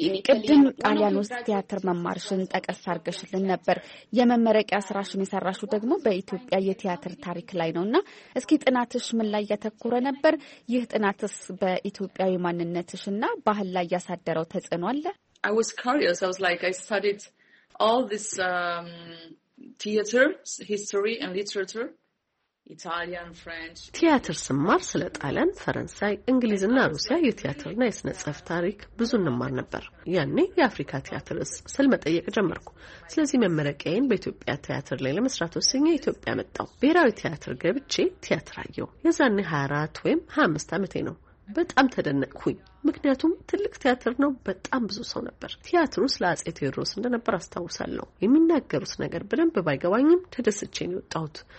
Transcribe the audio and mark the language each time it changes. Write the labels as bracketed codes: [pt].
[am] ቅድም ጣሊያን ውስጥ ቲያትር መማርሽን ጠቀስ አድርገሽልን ነበር። የመመረቂያ ስራሽን የሰራሹ ደግሞ በኢትዮጵያ የቲያትር ታሪክ ላይ ነው እና እስኪ ጥናትሽ ምን ላይ ያተኮረ ነበር? ይህ ጥናትስ በኢትዮጵያዊ ማንነትሽ እና ባህል ላይ ያሳደረው ተጽዕኖ አለ? [en] I was curious. I was like, I studied all this theater, history and literature. [am] ቲያትር ስማር ስለ ጣሊያን፣ ፈረንሳይ፣ እንግሊዝና ሩሲያ የቲያትርና የስነ ጽሑፍ ታሪክ ብዙ እንማር ነበር። ያኔ የአፍሪካ ቲያትርስ ስል መጠየቅ ጀመርኩ። ስለዚህ መመረቂያዬን በኢትዮጵያ ቲያትር ላይ ለመስራት ወስኜ ኢትዮጵያ መጣሁ። ብሔራዊ ቲያትር ገብቼ ቲያትር አየሁ። የዛኔ 24 ወይም 25 ዓመቴ ነው። በጣም ተደነቅኩኝ፣ ምክንያቱም ትልቅ ቲያትር ነው፣ በጣም ብዙ ሰው ነበር። ቲያትሩ ስለ አጼ ቴዎድሮስ እንደነበር አስታውሳለሁ። የሚናገሩት ነገር በደንብ ባይገባኝም ተደስቼ ነው የወጣሁት።